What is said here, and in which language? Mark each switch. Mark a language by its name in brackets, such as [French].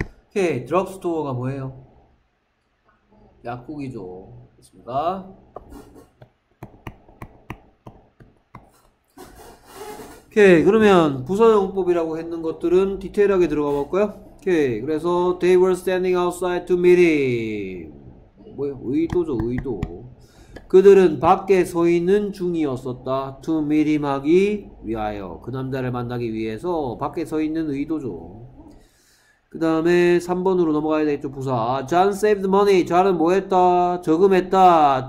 [Korean] 오케이, 드럭스토어가 뭐예요? 약국이죠. 됐습니까? 오케이, 그러면 부사용법이라고 했는 것들은 디테일하게 들어가 볼까요? 오케이, 그래서 [English] they were standing outside to meet him. [Korean] 뭐예요? 의도죠, 의도. 그들은 밖에 서 있는 중이었었다. [English] To meet him [Korean] 하기 위하여. 그 남자를 만나기 위해서 밖에 서 있는 의도죠. 그 다음에 3번으로 넘어가야 되겠죠, 부사. [English] John saved money. [Korean] John은 뭐 했다? 저금했다.